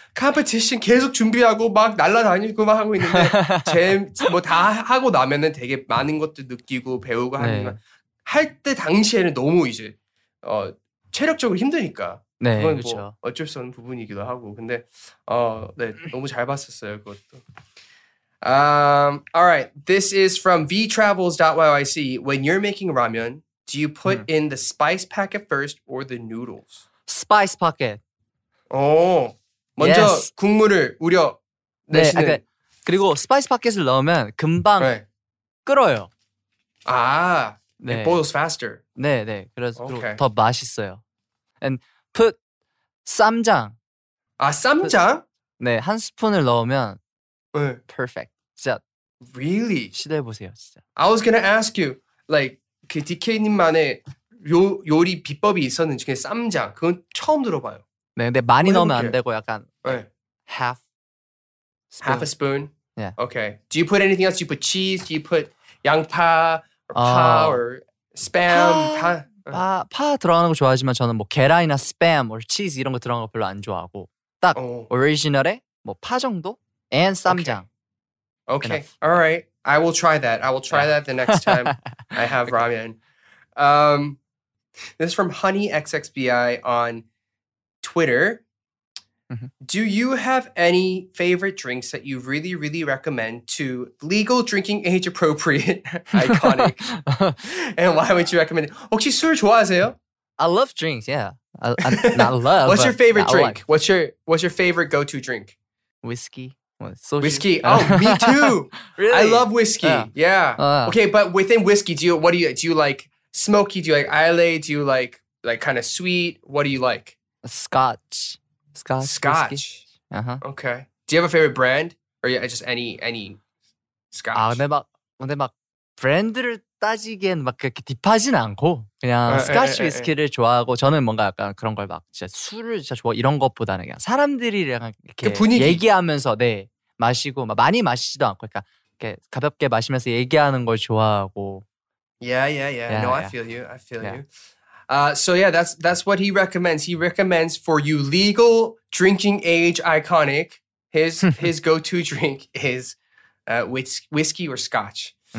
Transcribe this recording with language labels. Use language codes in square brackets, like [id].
[ko] Competition 계속 준비하고 막 날아다니고 막 하고 있는데 제 뭐 다 하고 나면은 되게 많은 것들 느끼고 배우고 하는 네. 할 때 당시에는 너무 이제 체력적으로 힘드니까 네, 그건 그렇죠. 뭐 어쩔 수 없는 부분이기도 하고 근데 네 너무 잘 봤었어요 그것도. [en] All right. This is from vtravels.yyc. When you're making ramen, do you put in the spice packet first or the noodles? Spice packet. [ko] 오, 먼저 [en] yes. [ko] 국물을 우려 내시는. 네, 그리고 스파이스 파켓을 넣으면 금방 [en] right. [ko] 끓어요. 아, 네. [en] It boils faster. [ko] 네, 네. 그래서 [en] okay. [ko] 더 맛있어요. [en] And put [ko] 쌈장. 아, 쌈장? [en] Put, [ko] 네, 한 스푼을 넣으면 네. [en] perfect. [ko] 진짜 [en] really? [ko] 시도해보세요, 진짜. [en] I was gonna ask you, like, [ko] 그 DK님만의 요리 비법이 있었는지 그게 쌈장, 그건 처음 들어봐요. 네, 근데 많이 넣으면 안 되고 약간 네. [en] half spoon. Half a spoon? Yeah. Okay. Do you put anything else? Do you put cheese? Do you put 양파 or 파 or spam? [ko] 파 들어가는 거 좋아하지만 저는 뭐 계란이나 [en] spam or cheese [ko] 이런 거 들어가는 거 별로 안 좋아하고 딱 오리지널에 뭐 파 정도? [en] And 쌈장. Okay. Okay, enough. All right. I will try that. I will try yeah. that the next time I have ramen. This is from HoneyXXBI on Twitter. Do you have any favorite drinks that you really, really recommend to legal drinking age appropriate iKONIC? And why would you recommend it? 혹시 술 좋아하세요? I love drinks, yeah. I love. What's your favorite drink? Like. What's your favorite go-to drink? Whiskey. What, whiskey. Oh, me too. Really? I love whiskey. Yeah. yeah. Okay, but within whiskey, do you like smoky? Do you like Islay? Do you like kind of sweet? What do you like? Scotch. Uh huh. Okay. Do you have a favorite brand or yeah, just any scotch? [ko] 아, 근데 막 브랜드를 따지기엔 막 그렇게 딥하진 않고 그냥 스카치 위스키를 좋아하고 저는 뭔가 약간 그런 걸 막 진짜 술을 진짜 좋아 이런 것보다는 그냥 사람들이 그냥 이렇게 그 얘기하면서 네 마시고 막 많이 마시지도 않고 그러니까 이렇게 가볍게 마시면서 얘기하는 걸 좋아하고 [en] Yeah. No, I feel you. So yeah, that's what he recommends. He recommends for you legal drinking age iKONIC. His go-to drink is whiskey or scotch.